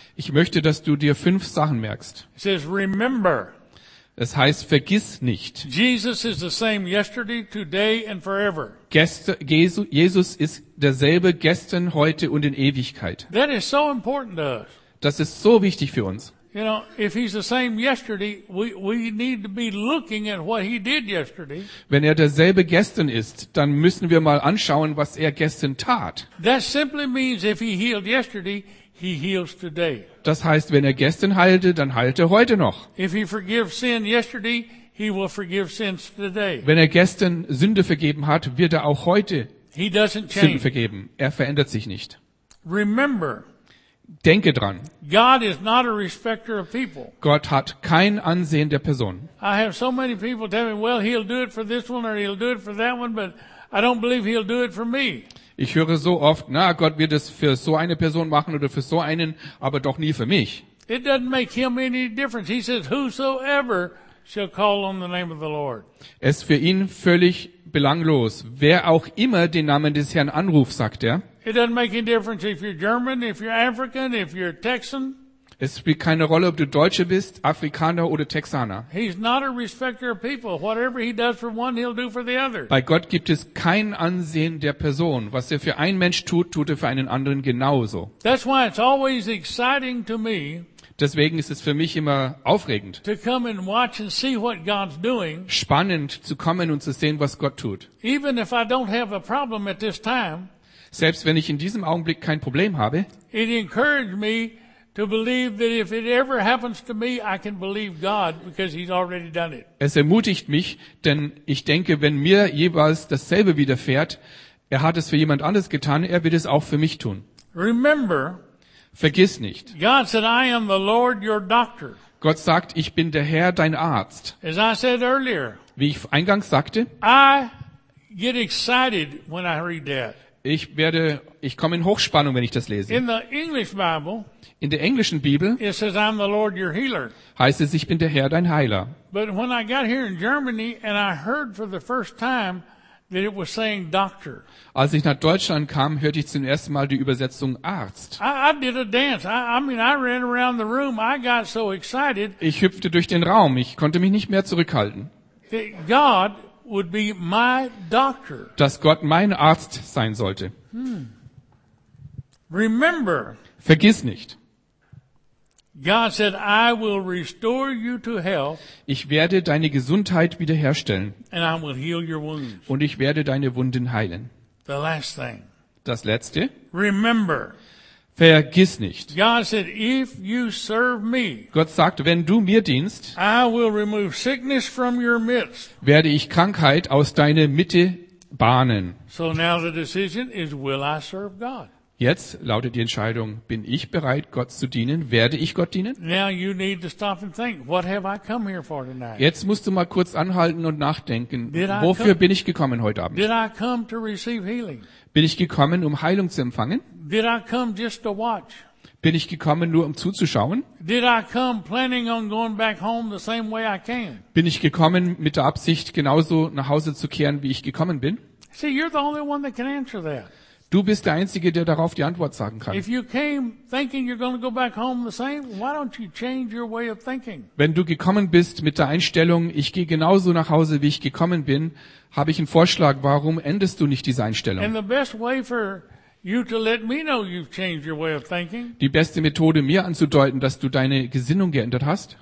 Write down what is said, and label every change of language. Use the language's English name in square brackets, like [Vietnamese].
[German] Ich möchte, dass du dir fünf Sachen merkst. [English] It says remember. [German] Es heißt, vergiss nicht. [English] Jesus is the same yesterday, today and forever. [German] Jesus ist derselbe gestern, heute und in Ewigkeit. [English] That is so important to us. [German] Das ist so wichtig für uns. [English] You know, if he's the same yesterday, we need to be looking at what he did yesterday. [German] Wenn er derselbe gestern ist, dann müssen wir mal anschauen, was er gestern tat. [English] That simply means if he healed yesterday, he heals today. [German] Das heißt, wenn er gestern heilte, dann heilt er heute noch. [English] If he forgives sin yesterday, he will forgive sins today. [German] Wenn er gestern Sünde vergeben hat, wird er auch heute Sünde vergeben. Er verändert sich nicht. [English] Remember. [German] Denke dran. [English] God is not a respecter of people. [German] Gott hat kein Ansehen der Person. [English] I have so many people tell me, well, he'll do it for this one or he'll do it for that one, but I don't believe he'll do it for me. [German] Ich höre so oft, na, Gott wird es für so eine Person machen oder für so einen, aber doch nie für mich. [English] It doesn't make him any difference. He says, whosoever shall call on the name of the Lord. [German] Es ist für ihn völlig belanglos. Wer auch immer den Namen des Herrn anruft, sagt er. [English] It doesn't make any difference if you're German, if you're African, if you're Texan. [German] Es spielt keine Rolle, ob du Deutsche bist, Afrikaner oder Texaner. [English] He's not a respecter of people. Whatever he does for one, he'll do for the other. [German] Bei Gott gibt es kein Ansehen der Person. Was er für einen Mensch tut, tut er für einen anderen genauso. [English] That's why it's always exciting to me. [German] Deswegen ist es für mich immer aufregend. [English] To come and watch and see what God's doing. [German] Spannend zu kommen und zu sehen, was Gott tut. [English] Even if I don't have a problem at this time. [German] Selbst wenn ich in diesem Augenblick kein Problem habe, [English] it encouraged me to believe that if it ever happens to me, I can believe God because he's already done it. [German] Es ermutigt mich, denn ich denke, wenn mir jeweils dasselbe widerfährt, er hat es für jemand anderes getan, er wird es auch für mich tun. [English] Remember, [German] vergiss nicht. [English] God said, I am the Lord your doctor. [German] Gott sagt, ich bin der Herr dein Arzt. [English] As I said earlier, [German] wie ich eingangs sagte, [English] I get excited when I read that. [German] Ich komme in Hochspannung, wenn ich das lese. [English] In the English Bible, [German] in der englischen Bibel, [English] it says, I'm the Lord your healer. [German] Heißt es, ich bin der Herr, dein Heiler. [English] But when I got here in Germany and I heard for the first time that it was saying doctor. [German] Als ich nach Deutschland kam, hörte ich zum ersten Mal die Übersetzung Arzt. [English] I did a dance. I ran around the room. I got so excited. [German] Ich hüpfte durch den Raum. Ich konnte mich nicht mehr zurückhalten. [English] God would be my doctor. [German] Dass Gott mein Arzt sein sollte. [English] Remember. [German] Vergiss nicht. [English] God said, I will restore you to health. [German] Ich werde deine Gesundheit wiederherstellen. [English] And I will heal your wounds. [German] Und ich werde deine Wunden heilen. [English] The last thing. [German] Das letzte. [English] Remember. [German] Vergiss nicht. [English] God said, if you serve me, [German] Gott sagt, wenn du mir dienst, [English] I will remove sickness from your midst. [German] Werde ich Krankheit aus deiner Mitte bahnen. [English] So now the decision is, will I serve God? [German] Jetzt lautet die Entscheidung, bin ich bereit, Gott zu dienen? Werde ich Gott dienen? [English] Now you need to stop and think, what have I come here for tonight? [German] Jetzt musst du mal kurz anhalten und nachdenken, wofür bin ich gekommen heute Abend? [English] Did I come to receive healing? [German] Bin ich gekommen, um Heilung zu empfangen? [English] Did I come just to watch? [German] Bin ich gekommen, nur um zuzuschauen? [English] Did I come planning on going back home the same way I came? [German] Bin ich gekommen, mit der Absicht, genauso nach Hause zu kehren, wie ich gekommen bin? [English] See, you're the only one that can answer that. [German] Du bist der Einzige, der darauf die Antwort sagen kann. [English] If you came thinking you're going to go back home the same, why don't you change your way of thinking? [German] Wenn du gekommen bist mit der Einstellung, ich gehe genauso nach Hause, wie ich gekommen bin, habe ich einen Vorschlag, warum änderst du nicht diese Einstellung? [English] And the best way for you to let me know you've changed your way of thinking. [German] Die beste Methode, mir anzudeuten, dass du deine Gesinnung geändert hast,